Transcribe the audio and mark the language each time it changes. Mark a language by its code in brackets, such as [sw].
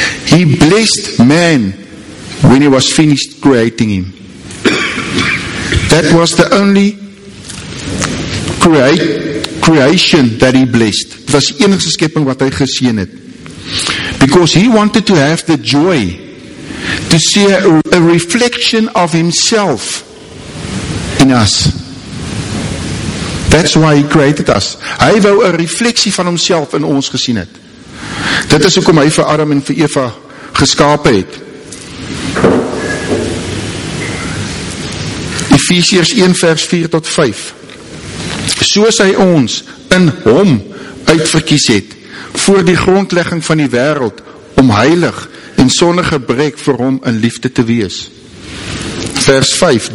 [en] He blessed man when he was finished creating him. That was the only creation that he blessed. [af] Het was die enigste skepping wat hy geseën het. [en] Because he wanted to have the joy to see a reflection of himself in us. That's why he created us. [af] Hy wou 'n refleksie van homself in ons gesien het. Dit is hoekom hy vir Adam en vir Eva geskape het. Efesiërs 1 vers 4 tot 5. Soos hy ons in hom uitverkies het voor die grondlegging van die wêreld om heilig en sonder gebrek vir hom in liefde te wees. Vers 5.